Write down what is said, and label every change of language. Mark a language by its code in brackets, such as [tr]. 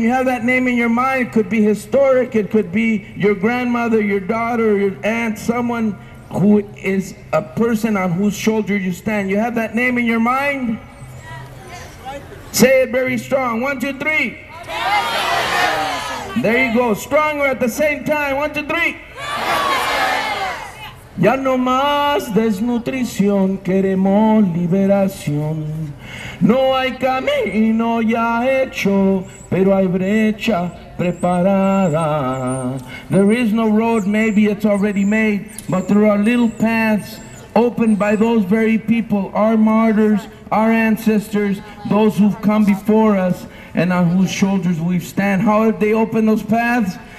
[en] You have that name in your mind. It could be historic. It could be your grandmother, your daughter, your aunt, someone who is a person on whose shoulders you stand. You have that name in your mind? Say it very strong. 1, 2, 3. There you go. Stronger at the same time. 1, 2, 3. [es] Ya no más desnutrición, queremos liberación. No hay camino ya hecho, pero hay brecha preparada. [en] There is no road, maybe it's already made, but there are little paths opened by those very people, our martyrs, our ancestors, those who've come before us and on whose shoulders we stand. How have they opened those paths?